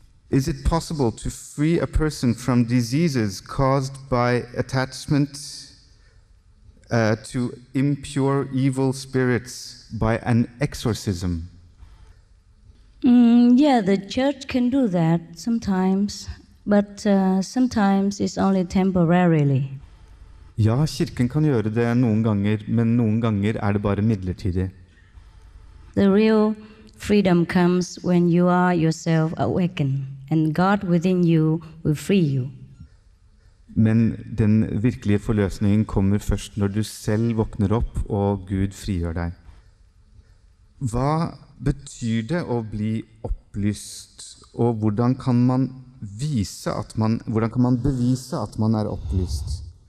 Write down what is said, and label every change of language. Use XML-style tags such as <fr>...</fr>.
<en>Is it possible to free a person from diseases caused by attachment to impure evil spirits by an exorcism? Yeah, the church can do that sometimes, but sometimes it's only temporarily.</en> <no>Ja, kirken kan gjøre det noen ganger, men noen ganger er det bare midlertidig.</no> <en>The real freedom comes when you are yourself awakened, and God within you will free you.</en> <no>Men den virkelige forløsningen kommer først når du selv våkner opp og Gud frigjør deg. Hva betyr det å bli opplyst, og hvordan kan man vise at man, hvordan kan man bevise at man er opplyst?</no>